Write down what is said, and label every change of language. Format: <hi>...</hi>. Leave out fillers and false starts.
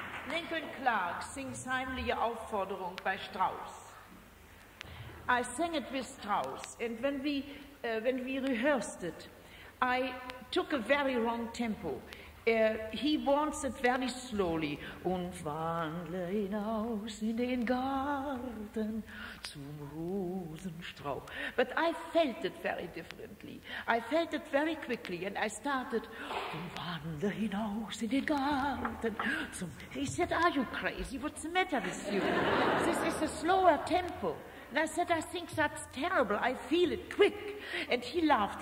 <en>Lincoln Clark sings heimliche Aufforderung bei Strauss. I sang it with Strauss, and when we rehearsed it, I took a very wrong tempo. He wants it very slowly.</en> <de>Und wandle hinaus in den Garten zum Rosenstrauch.</de> <en>But I felt it very differently. I felt it very quickly, and I started.</en> <de>Und wandle hinaus in den Garten zum.</de> <en>He said, "Are you crazy? What's the matter with you? This is a slower tempo." And I said, "I think that's terrible. I feel it quick." And he laughed.</en>